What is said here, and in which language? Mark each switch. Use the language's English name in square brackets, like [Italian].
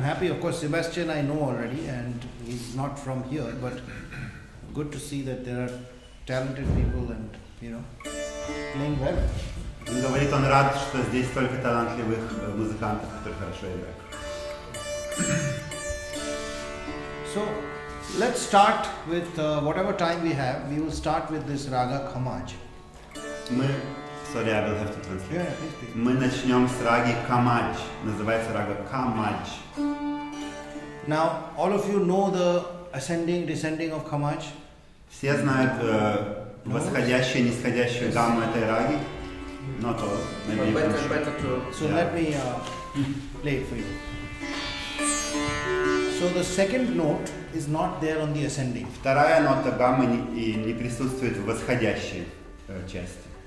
[English] Of course, Sebastian I know already, and he's not from here, but good to see that there are talented people and, you know, playing well. [Russian] Он говорит, он рад, что здесь столько талантливых музыкантов, которые хорошо играют. [English] So, let's start with whatever time we have. We will start with this raga Khammaj. Sorry, I will have to translate. Yeah, please. [Russian] Мы начнем с раги Khammaj. Называется рага Khammaj. [English] Now, all of you know the ascending, descending of Khammaj? [Russian] Все знают восходящую и нисходящую гамму этой раги. [English] Not all. Maybe better, you can show. Better to... So yeah. Let me play it for you. So the second note is not there on the ascending. [Russian] Вторая нота гаммы не присутствует в восходящей части.